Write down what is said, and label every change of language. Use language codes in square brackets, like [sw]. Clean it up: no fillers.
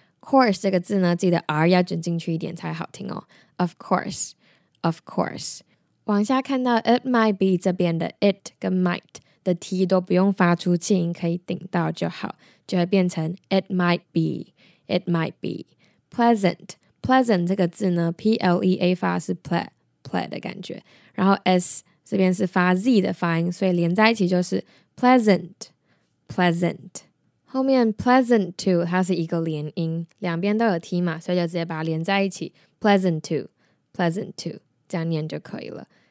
[zh] Course 这个字呢，记得 r 要卷进去一点才好听哦。 [en] Of course, of course. [zh] 往下看到 it might be 这边的 it 跟 might 的 t 都不用发出气音，可以顶到就好，就会变成 [en] it might be, it might be. [zh] Pleasant, pleasant 这个字呢 ，plea 发是 ple。 Play 的感觉，然后 s 这边是发 z 的发音，所以连在一起就是 pleasant, pleasant. 后面 pleasant to 它是一个连音，两边都有 t 嘛，所以就直接把它连在一起 pleasant to 这样念就可以了。